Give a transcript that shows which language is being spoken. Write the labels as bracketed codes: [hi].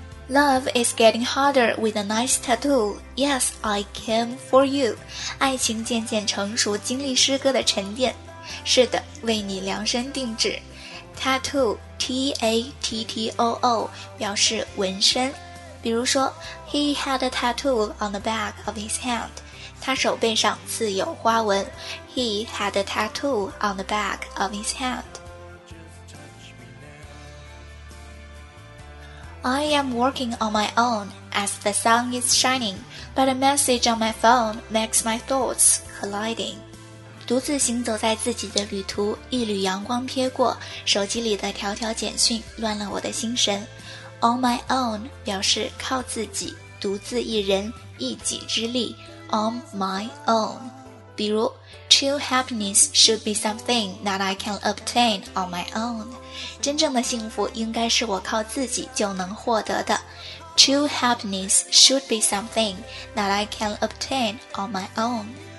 [en] Love is getting harder with a nice tattoo. Yes, I came for you. [zh] 爱情渐渐成熟，经历诗歌的沉淀。是的，为你量身定制。Tattoo, T-A-T-T-O-O, 表示纹身。比如说 [en] ,He had a tattoo on the back of his hand. [zh] 他手背上刺有花纹。 [en] He had a tattoo on the back of his hand. I am working on my own as the sun is shining, but a message on my phone makes my thoughts colliding. [zh] 独自行走在自己的旅途，一缕阳光瞥过，手机里的条条简讯乱了我的心神。 [en] On my own [zh] 表示靠自己，独自一人，一己之力。 [en] On my own. [zh] 比如 [en] true happiness should be something that I can obtain on my own. [zh] 真正的幸福应该是我靠自己就能获得的。 [en] True happiness should be something that I can obtain on my own.